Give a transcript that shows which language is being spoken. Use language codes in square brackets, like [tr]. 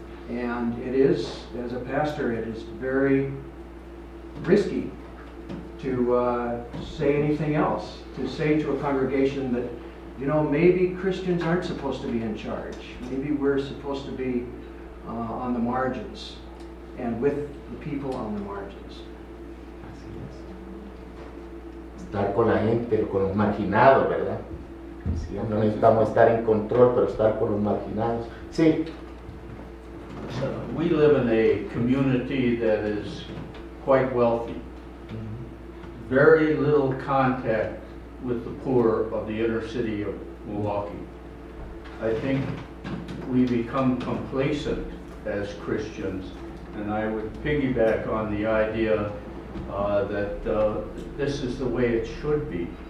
[en] And it is, as a pastor, it is very risky to say anything else, to say to a congregation that, you know, maybe Christians aren't supposed to be in charge. Maybe we're supposed to be on the margins and with the people on the margins. [es] Así es. Estar con la gente, con los marginados, ¿verdad? Sí, no necesitamos estar en control, pero estar con los marginados. Sí. [en] So, we live in a community that is quite wealthy. Very little contact with the poor of the inner city of Milwaukee. I think we become complacent as Christians, and I would piggyback on the idea that this is the way it should be.